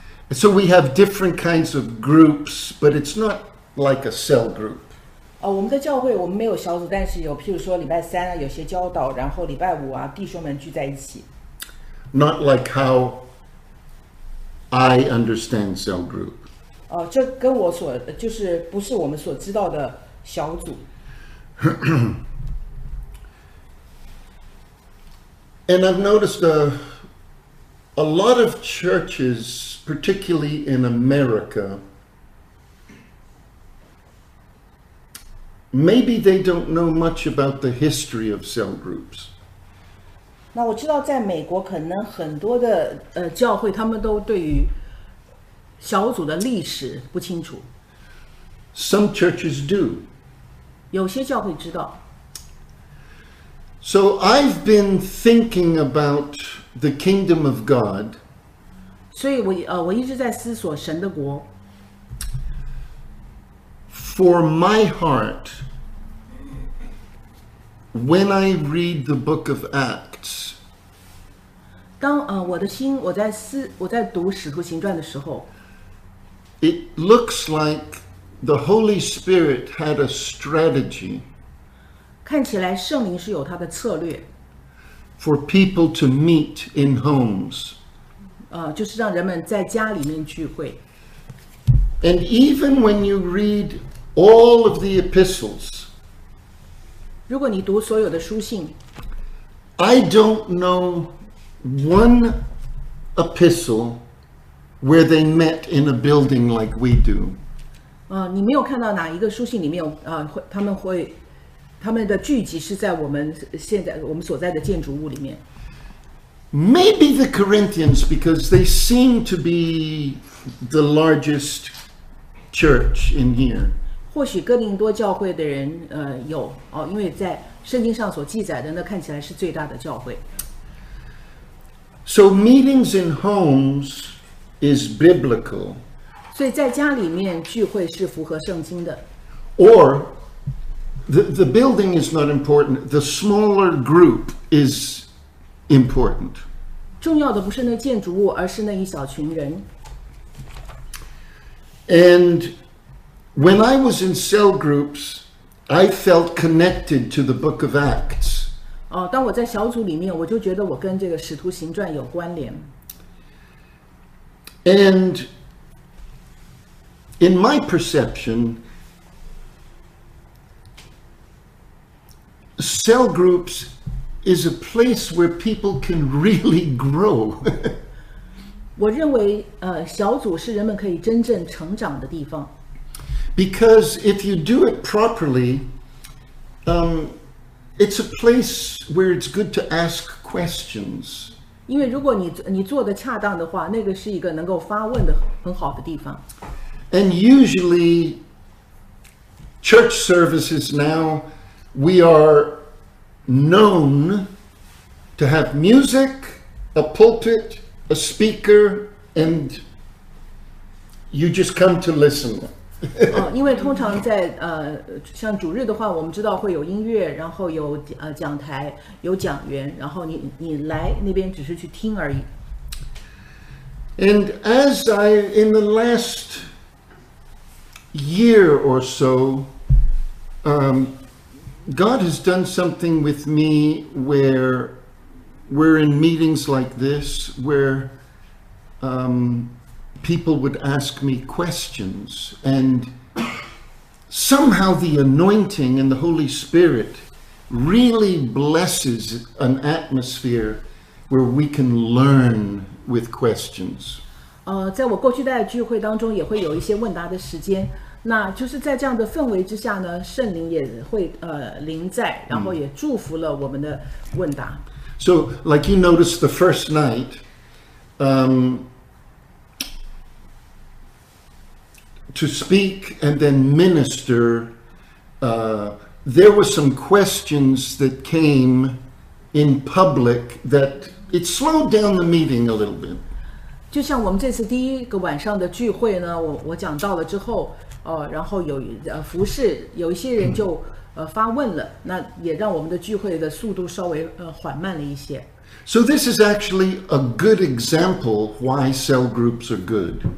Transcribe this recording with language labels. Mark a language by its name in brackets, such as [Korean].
[English] So we have different kinds of groups, but it's not like a cell group. [Chinese] Oh, 我们的教会我们没有小组，但是有，譬如说礼拜三啊，有些教导，然后礼拜五啊，弟兄们聚在一起。 [English] Not like how I understand cell group. [Chinese] 哦，这跟我所就是不是我们所知道的小组。 [English] And I've noticed a lot of churches, particularly in America, maybe they don't know much about the history of cell groups. [Chinese] 那我知道在美国可能很多的教会他们都对于小组的历史不清楚。 [English] Some churches do. [Chinese] 有些教会知道。 [English] So I've been thinking about the kingdom of God. [Chinese] 所以我一直在思索神的国。 [English] For my heart, when I read the book of Acts, [Chinese] 当我的心我在读《使徒行传》的时候， [English] it looks like the Holy Spirit had a strategy. [Chinese] 看起来圣灵是有他的策略。 [English] For people to meet in homes. [Chinese] 就是让人们在家里面聚会。 [English] And even when you read all of the epistles. [Chinese] 如果你读所有的书信。 [English] I don't know one epistle where they met in a building like we do. [Chinese] 你没有看到哪一个书信里面他们会他们的聚集是在我们现在我们所在的建筑物里面。 [English] Maybe the Corinthians, because they seem to be the largest church in here. [Chinese] 或许哥林多教会的人有哦，因为在圣经上所记载的那看起来是最大的教会。 [English] So meetings in homes is biblical. [Chinese] 所以在家里面聚会是符合圣经的。 [English] Or,The building is not important. The smaller group is important. [Chinese] 重要的不是那建筑物，而是那一小群人。 [English] And when I was in cell groups, I felt connected to the Book of Acts. [Chinese] 当我在小组里面，我就觉得我跟这个《使徒行传》有关联。 [English] And in my perception,Cell groups is a place where people can really grow. [Chinese] 我认为小组是人们可以真正成长的地方。 [English] Because if you do it properly, it's a place where it's good to ask questions. [Chinese] 因为如果你做得恰当的话，那个是一个能够发问的很好的地方。 [English] And usually, church services now, we are... known to have music, a pulpit, a speaker, and you just come to listen. [Chinese] 因为通常在像主日的话，我们知道会有音乐，然后有讲台，有讲员，然后你来那边只是去听而已。 [English] And as I, in the last year or so, God has done something with me where we're in meetings like this where people would ask me questions and somehow the anointing and the Holy Spirit really blesses an atmosphere where we can learn with questions. [Chinese] 在我过去在聚会当中也会有一些问答的时间，那就是在这样的氛围之下呢，圣灵也会临在，然后也祝福了我们的问答。 [English] So, like you noticed the first night, to speak and then minister, there were some questions that came in public that it slowed down the meeting a little bit. [Chinese] 就像我们这次第一个晚上的聚会呢，我讲到了之后，然后有服事，有一些人就发问了，那也让我们的聚会的速度稍微缓慢了一些。 [English] So this is actually a good example why cell groups are good.